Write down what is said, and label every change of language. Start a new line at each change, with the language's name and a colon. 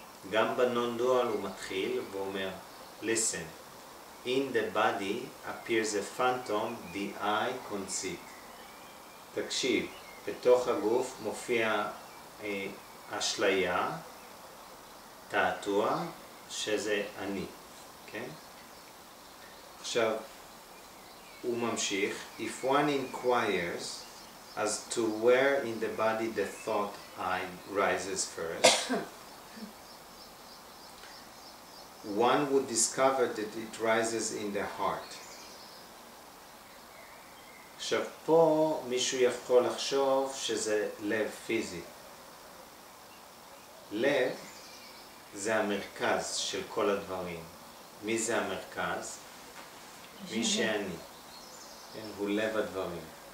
Hebrew: גם בנון-דואל הוא מתחיל ואומר,
English: listen, in the body appears a phantom, the eye conceit.
Hebrew: תקשיב, בתוך הגוף מופיע אשליה, תעתוע, שזה אני, כן? עכשיו, הוא ממשיך,
English: if one inquires as to where in the body the thought I rises first, one would discover that it rises in the heart.
Hebrew: עכשיו פה מישהו יכול לחשוב שזה לב פיזי. לב זה המרכז של כל הדברים. מי זה המרכז? מי שאני. כן, הוא לב הדברים.